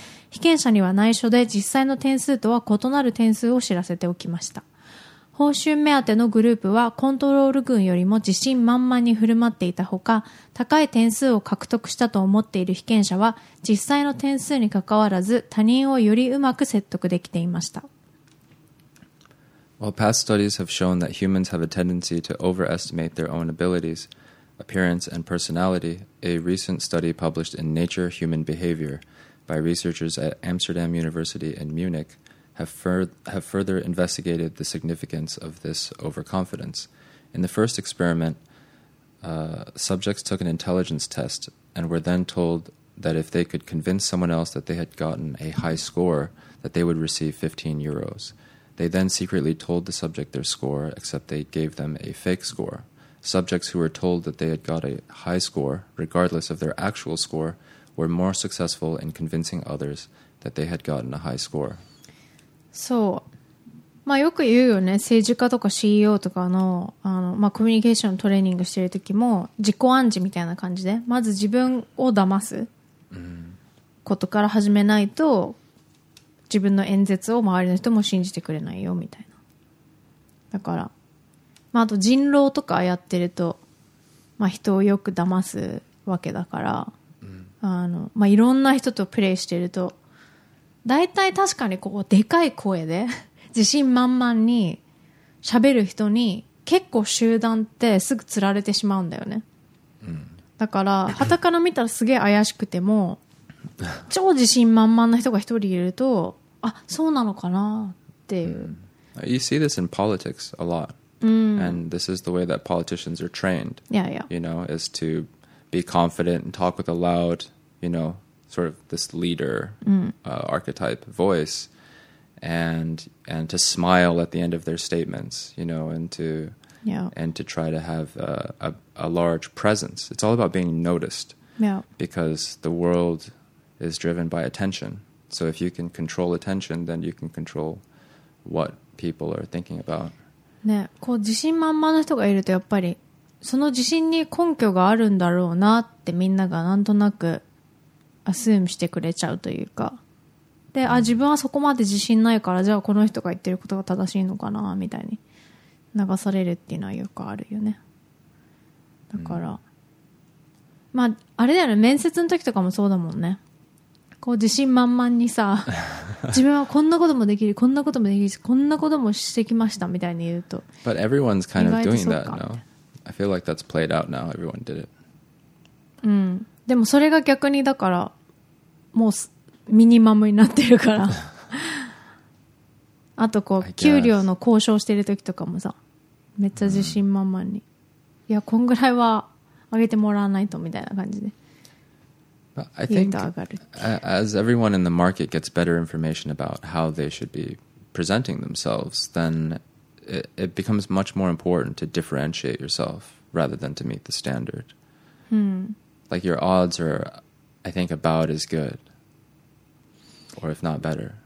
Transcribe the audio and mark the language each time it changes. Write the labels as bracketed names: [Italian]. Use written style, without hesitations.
[Japanese] 被験者には内緒で実際の点数とは異なる点数を知らせておきました。報酬目当てのグループはコントロール群よりも自信満々に振る舞っていたほか、高い点数を獲得したと思っている被験者は実際の点数に関わらず他人をよりうまく説得できていました。 [English] While past studies have shown that humans have a tendency to overestimate their own abilities, appearance, and personality, a recent study published in Nature Human Behavior by researchers at Amsterdam University in Munich have further investigated the significance of this overconfidence. In the first experiment, subjects took an intelligence test and were then told that if they could convince someone else that they had gotten a high score, that they would receive 15 euros. They then secretly told the subject their score, except they gave them a fake score. Subjects who were told that they had got a high score, regardless of their actual score, were more successful in convincing others that they had gotten a high score. [Japanese] そう。まあよく言うよね、政治家とか CEO とかの、まあコミュニケーショントレーニングしてる時も、自己暗示みたいな感じで、まず自分を騙すことから始めないと、自分の演説を周りの人も信じてくれないよみたいな。だから、まあ、あと人狼とかやってると、まあ、人をよく騙すわけだから、うん、まあ、いろんな人とプレイしてると大体確かにこうでかい声で自信満々に喋る人に結構集団ってすぐ釣られてしまうんだよね、うん、だから旗から見たらすげえ怪しくても超自信満々な人が一人いるとあそうなのかなっていう、う [English] ん、You see this in politics a lot、 [Japanese] うん、 [English] And this is the way that politicians are trained Yeah, yeah You know, is to be confident and talk with a loud, you know, sort of this leader、 [Japanese] うん [English] archetype voiceAnd to smile at the end of their statements, you know, and to try to have a large presence. It's all about being noticed, yeah. Because the world is driven by attention. So if you can control attention, then you can control what people are thinking about. [Japanese] ね、こう自信満々な人がいるとやっぱりその自信に根拠があるんだろうなってみんながなんとなくアスームしてくれちゃうというか。であ自分はそこまで自信ないからじゃあこの人が言ってることが正しいのかなみたいに流されるっていうのはよくあるよねだから、うん、まああれだよね面接の時とかもそうだもんねこう自信満々にさ自分はこんなこともできるこんなこともできるこんなこともしてきましたみたいに言うと [English] But everyone's kind of doing that now I feel like that's played out now Everyone did it [Japanese] うんでもそれが逆にだからもうミニマムになってるからあとこう給料の交渉してる時とかもさめっちゃ自信満々に、うん、いやこんぐらいは上げてもらわないとみたいな感じで [English] I think as everyone in the market gets better information about how they should be presenting themselves then it becomes much more important to differentiate yourself rather than to meet the standard、 [Japanese] うん、 [English] like your odds are I think about as goodOr if not better.